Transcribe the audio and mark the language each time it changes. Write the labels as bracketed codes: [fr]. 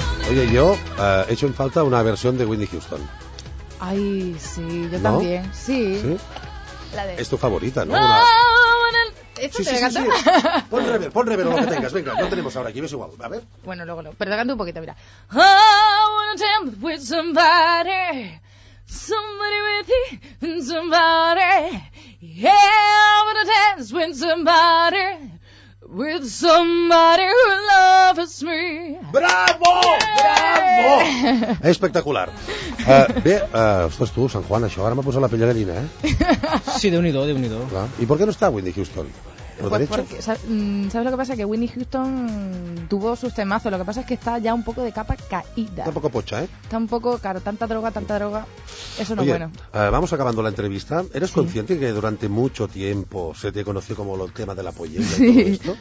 [es] Oye, yo he hecho en falta una versión de Whitney Houston. Ay, sí, yo ¿no? también. Sí. ¿Sí? La de... Es tu favorita, ¿no? ¿Esto te sí. Pon rever o lo que tengas. Venga, no tenemos ahora aquí, ves igual. A ver. Bueno, luego. Pero te canto un poquito, mira. [en] I wanna dance with somebody with you and somebody. Yeah, I wanna dance with somebody. With somebody who loves me. [es] ¡Bravo! ¡Bravo! Espectacular. [ca] Bé, ostres tu, Sant Juan, això ara m'ha posat la pell de gallina, eh? Sí, Déu-n'hi-do. Clar. I per què no està Whitney Houston? [es] ¿Sabes lo que pasa? Que Whitney Houston tuvo sus temazos. Lo que pasa es que está ya un poco de capa caída. Está un poco pocha, ¿eh? Está un poco, claro, tanta droga. Eso no. Oye, es bueno. Vamos acabando la entrevista. ¿Eres consciente que durante mucho tiempo se te conoció como el tema de la pollera y todo esto?